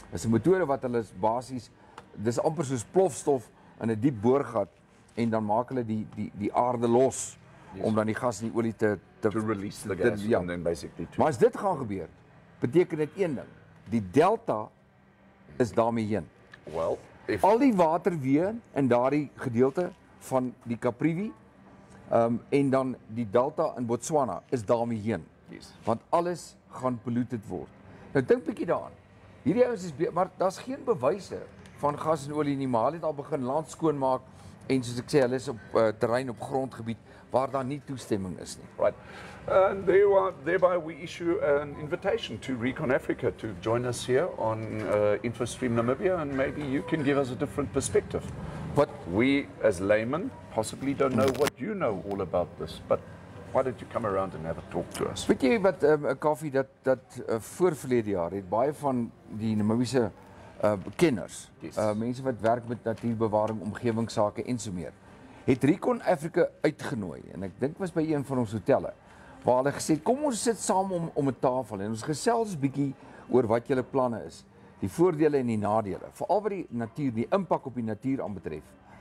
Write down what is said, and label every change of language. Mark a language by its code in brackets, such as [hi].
[af] Is 'n metode wat hulle basies, dis amper soos plofstof in 'n diep boorgat, en dan maak hulle die aarde los, yes. Om dan die gas en die olie [en] to release the gas, [af] ja. [en] And then basically [af] maar as dit gaan gebeur, beteken dit een ding, die delta is daarmee heen. [en] Well, [af] al die waterweë in daardie gedeelte van die Caprivi, en dan die delta in Botswana is daarmee heen. [en] Yes. [af] Want alles gaan polluted word. Nou dink bietjie daaraan. Hierdie ouens is maar daar's geen bewyse van gas en olie nie, maar hulle het al begin land skoon maak en soos ek sê, hulle is op terrein op grondgebied waar daar nie toestemming is nie. [en] Right. And thereby we issue an invitation to Recon Africa to join us here on InfoStream Namibia and maybe you can give us a different perspective. But we as laymen possibly don't know what you know all about this, but why don't you come around and have a talk to us? [af] Weet jy wat, Kaufeee, dat voorverlede jaar het baie van die Namibiese kenners, mense wat werk met natuurbewaring, omgewingsake en so meer, het Recon Africa uitgenooi en ek dink was by een van ons hotelle waar hulle gesê kom ons sit saam om 'n tafel en ons gesels bietjie oor wat julle planne is, die voordele en die nadele, veral wat die natuur, die impak op die natuur aanbetref.